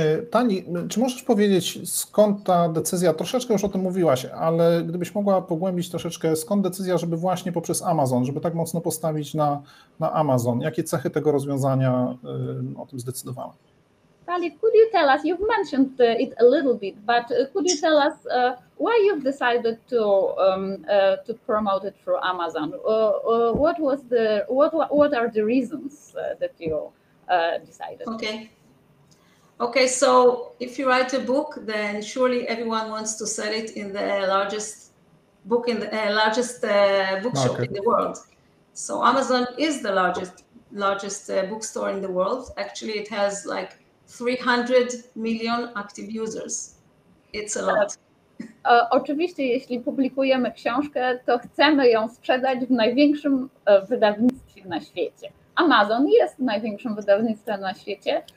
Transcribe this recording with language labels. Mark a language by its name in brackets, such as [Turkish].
[Polish] Pani, czy możesz powiedzieć, skąd ta decyzja? Troszeczkę już o tym mówiłaś, ale gdybyś mogła pogłębić troszeczkę, skąd decyzja, żeby właśnie poprzez Amazon, żeby tak mocno postawić na Amazon? Jakie cechy tego rozwiązania o tym zdecydowały? [English] Pali, could you tell us, you've mentioned it a little bit, but could you tell us why you've decided to promote it through Amazon? What are the reasons that you decided? Okay, so if you write a book, then surely everyone wants to sell it in the largest book in the largest bookshop market in the world. So Amazon is the largest bookstore in the world. Actually, it has like 300 million active users. It's a lot. [Polish] Oczywiście, jeśli publikujemy książkę, to chcemy ją sprzedać w największym wydawnictwie na świecie. Amazon jest największym wydawnictwem na świecie.